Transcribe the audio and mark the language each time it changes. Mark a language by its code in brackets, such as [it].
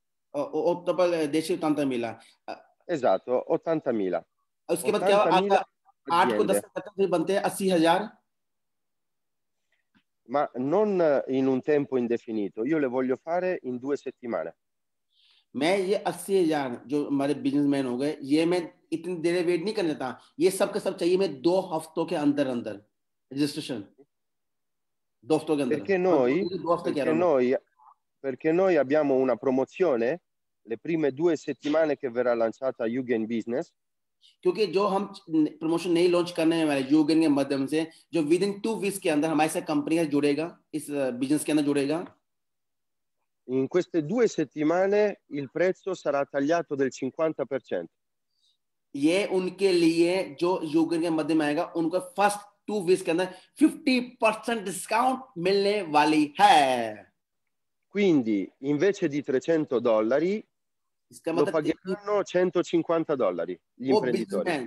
[it] 8 per 10 80.000. Esatto, 80.000. [hi] उसके बाद क्या 8 को 10 करते हैं फिर बनते हैं 80,000 [it] ma non in un tempo indefinito io le voglio fare in due settimane [hi] मैं ये 80,000 जो हमारे बिजनेसमैन हो गए ये मैं इतनी देर वेट नहीं करना चाहता ये सब का सब चाहिए मैं 2 हफ्तों के अंदर अंदर रजिस्ट्रेशन 2 हफ्तों के अंदर [it] perché noi perché noi abbiamo una promozione le prime due settimane che verrà lanciata Yugen Business [hi] क्योंकि जो हम प्रमोशन नहीं लॉन्च करने हैं यूगेन के माध्यम से जो [en] within 2 weeks [hi] के अंदर हमारे से कंपनी का जुड़ेगा इस बिजनेस के अंदर जुड़ेगा इन [it] queste 2 settimane il prezzo sarà tagliato del 50% [hi] ये उनके लिए जो यूगेन के माध्यम आएगा उनको [en] first 2 weeks [hi] के अंदर 50% डिस्काउंट मिलने वाली है [it] quindi invece di $300 [hi] मतलब [it] paghiamo $150 gli imprenditori.